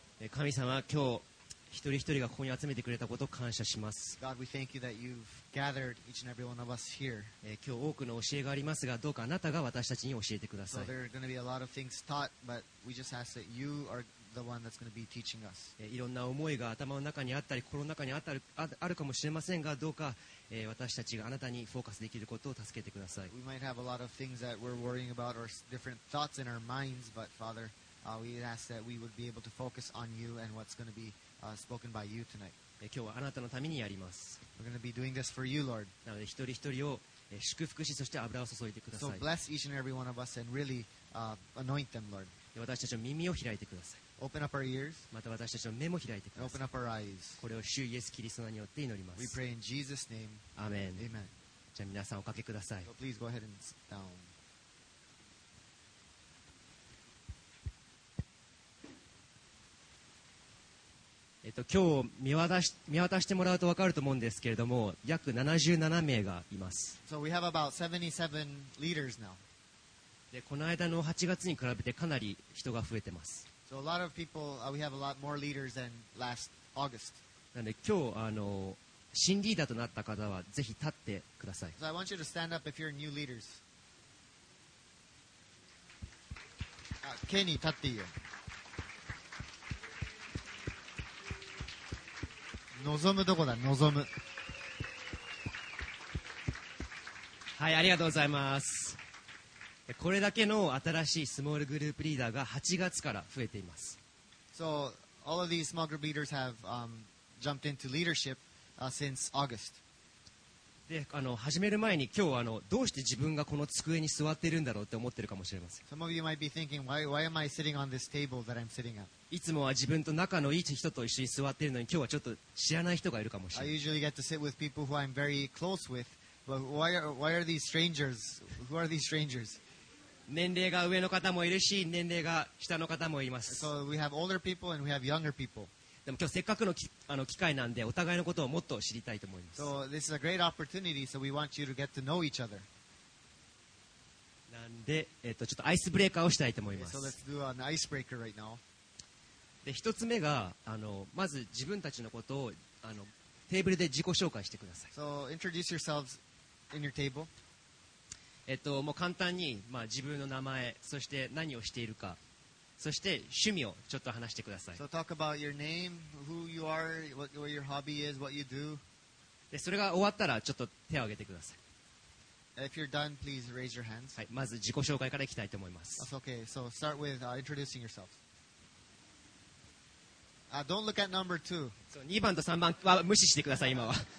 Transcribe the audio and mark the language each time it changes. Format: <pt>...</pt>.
<ja>神様、今日一人一人がここに集めてくれたことを感謝します。</ja> <en>God, we thank you that you've gathered each and every one of us here.</en> <ja>今日多くの教えがありますが、どうかあなたが私たちに教えてください。</ja> <en>So there are going to be a lot of things taught, but we just ask that you are the one that's going to be teaching us.</en> <ja>いろんな思いが頭の中にあったり心の中にあるかもしれませんが、どうか私たちがあなたにフォーカスできることを助けてください。</ja> <en>We might have a lot of things that we're worrying about or different thoughts in our minds, but FatherWe ask that we would be able to focus on you and what's going to be spoken by you tonight.</en> <ja>今日はあなたのためにやります。</ja> <en>We're going to be doing this for you, Lord.</en> <ja>なので一人一人を祝福し、そして油を注いでください。</ja> <en>So bless each and every one of us and really anoint them, Lord.</en> <ja>私たちの耳を開いてください。</ja> <en>Open up our ears.</en> <ja>また私たちの目も開いてください。</ja> <en>Open up our eyes.</en> <ja>これを主イエスキリストによって祈ります。</ja> <en>We pray in Jesus' name. Amen. Amen.</en> <ja>じゃあ皆さんおかけください。</ja> <en>So please go ahead and sit down.</en> <ja>今日見渡してもらうと分かると思うんですけれども、約77名がいます。</ja> <en>So we have about 77 leaders now.</en> <ja>でこの間の8月に比べてかなり人が増えてます。</ja> <en>So a lot of people, we have a lot more leaders than last August.</en> <ja>なので今日新リーダーとなった方はぜひ立ってください。</ja> <en>So I want you to stand up if you're new leaders.</en> <ja>ケニー立っていいよ。望むどこだ、望む。はい、ありがとうございます。これだけの新しいスモールグループリーダーが8月から増えています。</ja> <en>So all of these small group leaders have jumped into leadership since August.</en> <ja>で始める前に今日どうして自分がこの机に座っているんだろうって思ってるかもしれません。</ja> <en>Some of you might be thinking, why am I sitting on this table that I'm sitting at?</en> <ja>いつもは自分と仲のいい人と一緒に座っているのに、今日はちょっと知らない人がいるかもしれない。</ja> <en>I usually get to sit with people who I'm very close with, but why are these strangers? Who are these strangers?</en> <ja>年齢が上の方もいるし、年齢が下の方もいます。</ja> <en>So we have older people and we have younger people.</en> <ja>でも今日せっかくの機会なんで、お互いのことをもっと知りたいと思います。</ja> <en>So this is a great opportunity, so we want you to get to know each other.</en> <ja>なんで、ちょっとアイスブレーカーをしたいと思います。</ja> <en>So let's do an icebreaker right now.</en> <ja>で一つ目がまず自分たちのことをテーブルで自己紹介してください。</ja> <en>So introduce yourselves in your table.</en> <ja>もう簡単に、自分の名前、そして何をしているか、そして趣味をちょっと話してください。</ja> <en>So talk about your name, who you are, what your hobby is, what you do.</en> <ja>でそれが終わったらちょっと手を挙げてください。</ja> <en>If you're done, please raise your hands.</en> <ja>はい、まず自己紹介からいきたいと思います。</ja> <en>That's okay. So start with introducing yourself. Don't look at number two.</en> <ja>そう、2番と3番は無視してください、今は。</ja>